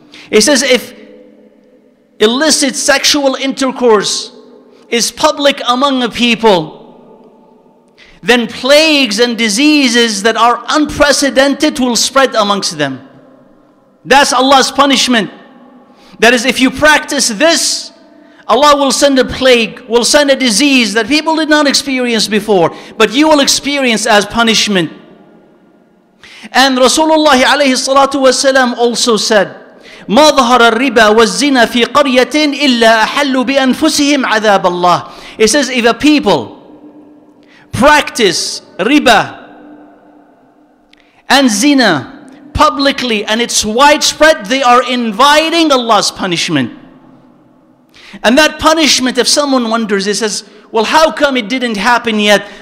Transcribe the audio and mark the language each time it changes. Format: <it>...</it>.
<en>He says, if illicit sexual intercourse is public among the people, then plagues and diseases that are unprecedented will spread amongst them. That's Allah's punishment. That is, if you practice this, Allah will send a plague, will send a disease that people did not experience before, but you will experience as punishment. And Rasulullah alayhi salatu wasalam also said,</en> <ar>مَا ظَهَرَ الرِّبَى وَالزِّنَى فِي قَرْيَةٍ إِلَّا أَحَلُّ بِأَنفُسِهِمْ عَذَابَ اللَّهِ.</ar> <en>It says, if a people practice riba and zina publicly and it's widespread, they are inviting Allah's punishment. And that punishment, if someone wonders, he says, well, how come it didn't happen yet?</en>